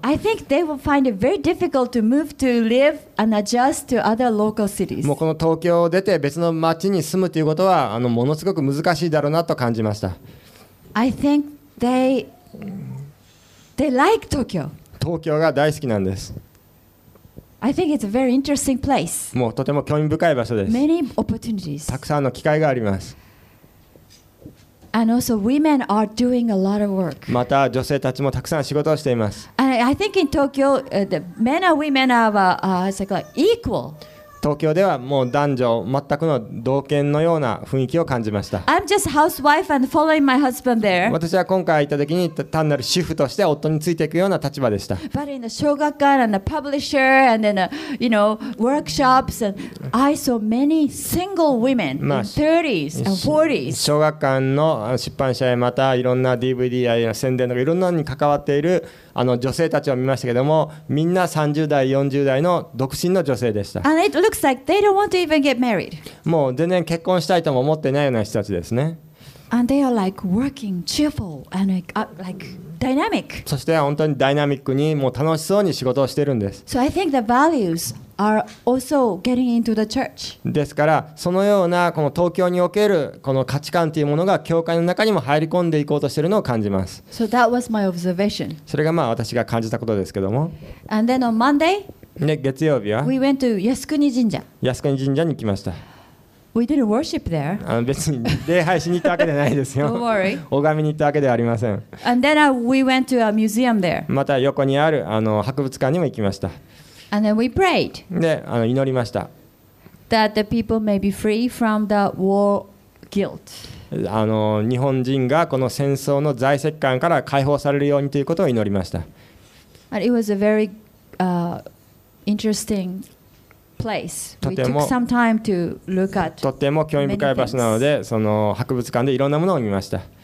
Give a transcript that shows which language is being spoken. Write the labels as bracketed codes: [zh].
[en] I think they will find it very difficult to move to live and adjust to other local cities. [ja] もうこの東京を出て別の町に住むということはものすごく難しいだろうなと感じました。 [en] I think they like Tokyo. [ja] 東京が大好きなんです。 [en] I think it's a very interesting place. [ja] もうとても興味深い場所です。 [en] Many opportunities. [ja] たくさんの機会があります。 [en] And also women are doing a lot of work. [ja] また女性たちもたくさん仕事をしています。 [en] I think in Tokyo, the men and women are equal. [ja] 東京ではもう男女全くの同権のような雰囲気を感じました。 [en] I'm just housewife and following my husband there. [ja] 私は今回行った時に単なる主婦として夫についていくような立場でした。 [en] But in the shogakukan and the publisher and then you know workshops and I saw many single women in 30s and 40s. [ja] 小学館の出版社やまたいろんな DVD や宣伝とかいろんなのに関わっている女性たちを見ましたけれども、みんな30代、40代の独身の女性でした。 [en] And it looks like they don't want to even get married. [ja] もう全然結婚したいとも思ってないような人たちですね。 [en] And they are like working cheerful and like dynamic. [ja] そして本当にダイナミックにもう楽しそうに仕事をしているんです。 [en] So I think the values are also getting into the church. [ja] ですから、そのようなこの東京におけるこの価値観というものが教会の中にも入り込んでいこうとしているのを感じます。 [en] So that was my observation. [ja] それがまあ私が感じたことですけども。 [en] And then on Monday, [ja] で月曜日は、 [en] we went to 靖国神社。 [ja] 靖国神社に来ました。 [en] We didn't worship there. [ja] 別に礼拝しに行ったわけではないですよ。 [en] Don't worry. [ja] 拝みに行ったわけではありません。 [en] And then we went to a museum there. [ja] また横にある博物館にも行きました。 [en] And then we prayed. [ja] で祈りました。 [en] That the people may be free from the war guilt. [ja] 日本人がこの戦争の罪責感から解放されるようにということを祈りました。 [en] And it was a very interesting. [ja] とても興味深い場所なので、その博物館でいろんなものを見ました。